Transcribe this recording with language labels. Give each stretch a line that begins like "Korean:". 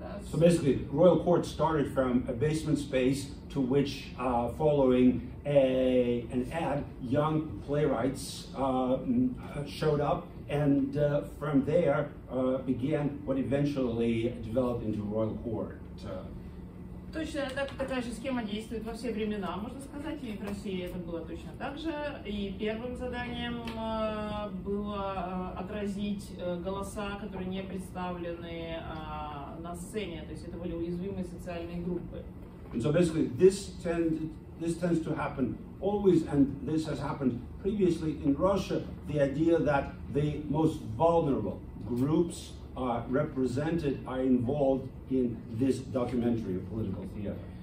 English: So basically, Royal Court started from a basement space to which, following an ad, young playwrights showed up, and from there began what eventually developed into Royal Court.
Russian: Точно так, такая же схема действует во все времена, можно сказать, и в России это было точно так же. И первым заданием было отразить голоса, которые не представлены на сцене, то есть это были уязвимые социальные группы.
English: And so basically this tends to happen always, and this has happened previously in Russia, the idea that the most vulnerable groups are represented, are involved in this documentary of political theater.